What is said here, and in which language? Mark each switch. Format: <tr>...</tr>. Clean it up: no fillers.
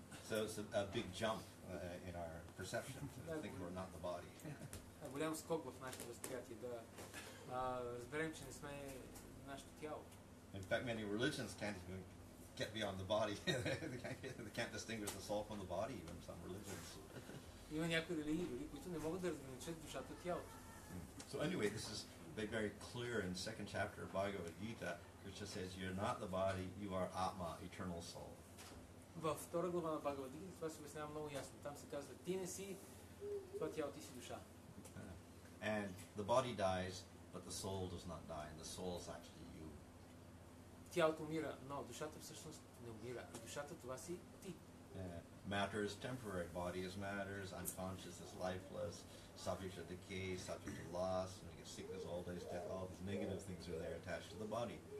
<en>So it's a big jump in our perception to think we're not the body.</en> <bg>Голям скок в нашето възприятие да разберем, че не сме нашето тяло.</bg> <en>In fact, many religions can't even get beyond the body. they can't distinguish the soul from the body even some religions.</en> <bg>Има някои религии, които не могат да разграничат душата от тялото.</bg> <en>So anyway, this is very clear in the second chapter of Bhagavad Gita, which just says you're not the body, you are Atma, eternal soul.</en> <bg>Във втора глава на Бхагавад Гита това се обяснява много ясно. Там се казва, ти не си това тяло, ти си душа.</bg> <en>And the body dies, but the soul does not die, and the soul is actually you.</en> <bg>Тялото умира, но душата всъщност не умира. И душата това си ти.</bg> <en>Matter is temporary, body is matters, unconscious is lifeless, subject to decay, subject to loss, and we get sickness, old age, death, all these negative things are there attached to the body.</en>